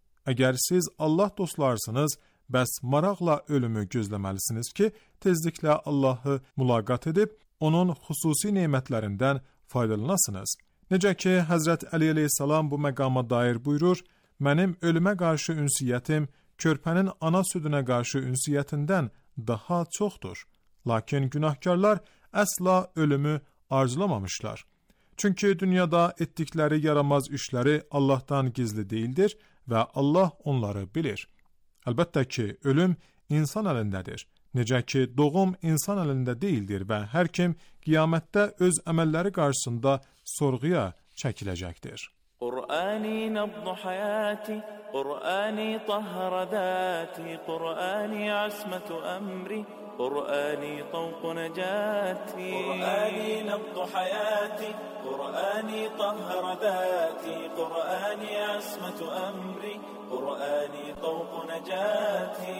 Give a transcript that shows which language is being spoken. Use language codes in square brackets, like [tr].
[az] Əgər siz Allah dostlarsınız, bəs maraqla ölümü gözləməlisiniz ki, tezliklə Allahı mülaqat edib, onun xüsusi nemətlərindən faydalanasınız. Necə ki, Həzrət Əli əleyhissalam bu məqama dair buyurur, Mənim ölümə qarşı ünsiyyətim, körpənin ana südünə qarşı ünsiyyətindən daha çoxdur. Lakin günahkarlar əsla ölümü arzulamamışlar. Çünki dünyada etdikləri yaramaz işləri Allahdan gizli deyildir və Allah onları bilir. Əlbəttə ki, ölüm insan əlindədir. Necə ki, doğum insan əlində deyildir və hər kim qiyamətdə öz əməlləri qarşısında sorğuya çəkiləcəkdir. [ar] قرآني نبض حياتي قرآني طهر ذاتي قرآني عصمة أمري قرآني طوق نجاتي، قرآني نبض حياتي، قرآني طهر ذاتي، قرآني عصمة أمري، قرآني طوق نجاتي.